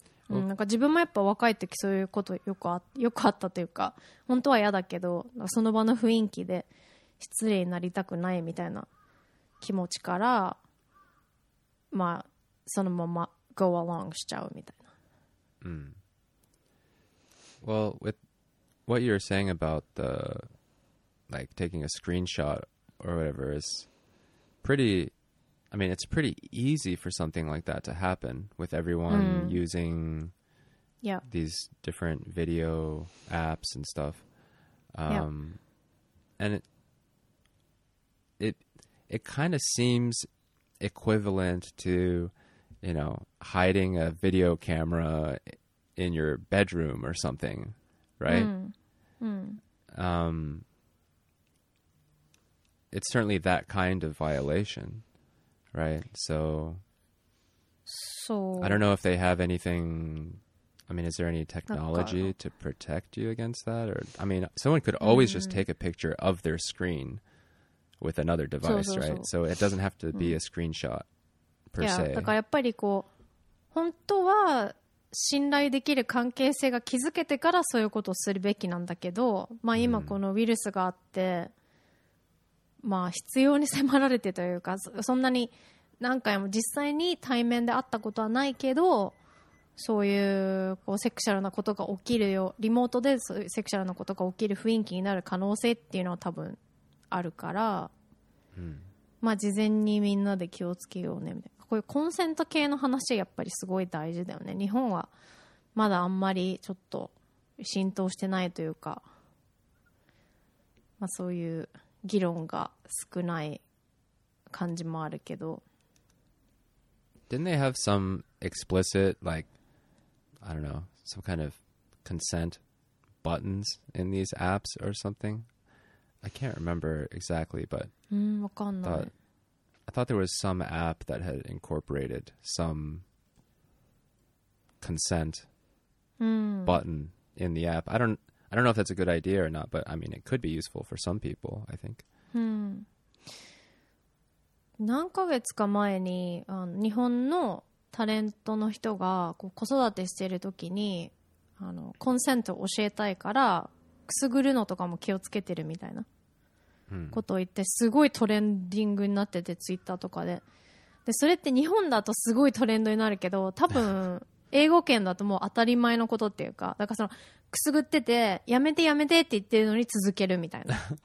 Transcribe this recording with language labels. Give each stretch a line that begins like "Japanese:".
Japanese: なんか自分もやっぱ若い時そういうことよくあったというか、本当は嫌だけどその場の雰囲気で失礼になりたくないみたいな気持ちから、まあそのまま
English: go along
Japanese: しちゃうみたいな。うん。
English: Well, with what you're saying about the like taking a screenshot or whatever is it's pretty easy for something like that to happen with everyone using these different video apps and stuff. And it kind of seems equivalent to, you know, hiding a video camera in your bedroom or something, right? It's certainly that kind of violation, right? So I don't know if they have anything. I mean, is there any technology to protect you against that? Or I mean, someone could always just take a picture of their screen with another device, right? So it doesn't have to be a screenshot per se.
Japanese: だからやっぱりこう本当は信頼できる関係性が築けてからそういうことをするべきなんだけど、まあ今このウイルスがあって。まあ、必要に迫られてというか、そんなに何回も実際に対面で会ったことはないけど、そういう、こうセクシャルなことが起きるよ、リモートでそういうセクシャルなことが起きる雰囲気になる可能性っていうのは多分あるから、まあ事前にみんなで気をつけようねみたいな、こういうコンセント系の話はやっぱりすごい大事だよね。日本はまだあんまりちょっと浸透してないというか、まあ、そういう議論が少ない感じもあるけど。
English: Didn't they have some explicit, like, I don't know, some kind of consent buttons in these apps or something? I can't remember exactly, but I thought there was some app that had incorporated some consent button in the app. I don't know if that's a good idea or not, but I mean, it could be useful for some people, I think.
Japanese: 何ヶ月か前に日本のタレントの人が子育てしているときにコンセントを教えたいからくすぐるのとかも気をつけてるみたいなことを言ってすごいトレンディングになっててツイッターとかで、でそれって日本だとすごいトレンドになるけど多分英語圏だともう当たり前のことっていうか、だからそのくすぐっててやめてやめてって言ってるのに続けるみたいな。